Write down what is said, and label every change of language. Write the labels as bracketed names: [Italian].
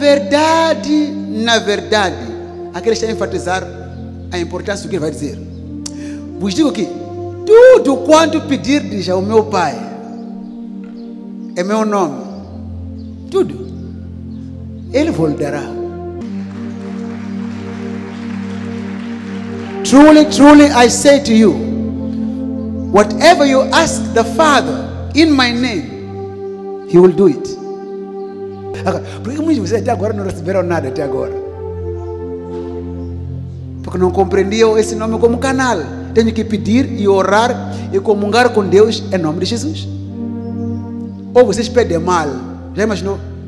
[Portuguese] Na verdade, aquele está a enfatizar a importância do que ele vai dizer. Vos digo que tudo quanto pedirdes ao meu Pai, em meu nome, tudo, ele vos dará. [English] Truly, truly, I say to you, whatever you ask the Father in my name, he will do it. [Portuguese] Por que muitos de vocês até agora não receberam nada até agora? Porque não compreendiam esse nome como canal. Tenho que pedir e orar e comungar com Deus em nome de Jesus. Ou vocês pedem mal. Já imaginou?